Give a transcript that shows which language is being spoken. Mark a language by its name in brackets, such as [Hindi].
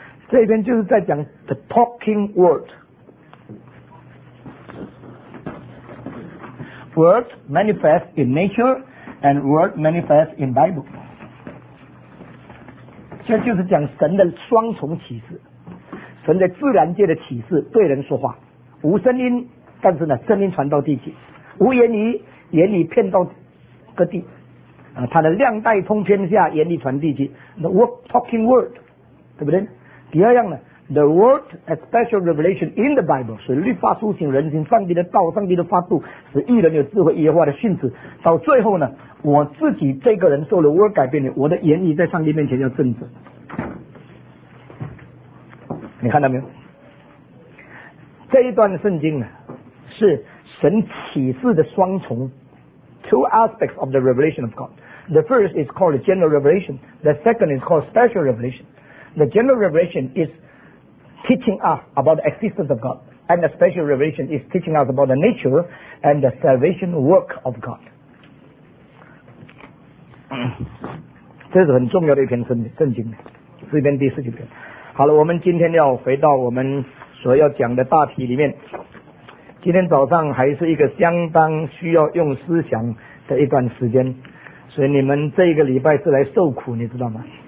[Chinese] 这边就是在讲 [English] the talking word， word manifest in nature and word manifest in Bible， [Chinese] 这就是讲神的双重启示，神在自然界的启示，对人说话。无声音，但是呢，声音传到地界；无言语，言语遍到各地。它的亮带通天下，言语传地界。 [English] The word, talking word， [Chinese] 对不对？第二样呢 ， [English] the word a special revelation in the Bible， [Chinese] 是律法苏醒人心，上帝的道，上帝的法度，使义人有智慧，耶和华的训旨。到最后呢，我自己这个人受了 [English] word [Chinese] 改变了，我的言语在上帝面前要正直。你看到没有？这一段圣经呢，是神启示的双重 ， [English] two aspects of the revelation of God. The first is called general revelation. The second is called special revelation. The general revelation is teaching us about the existence of God, and the special revelation is teaching us about the nature and the salvation work of God. [Chinese] 这是很重要的一篇圣经，四篇第四九篇。好了，我们今天要回到我们所要讲的大题里面，今天早上还是一个相当需要用思想的一段时间，所以你们这个礼拜是来受苦，你知道吗？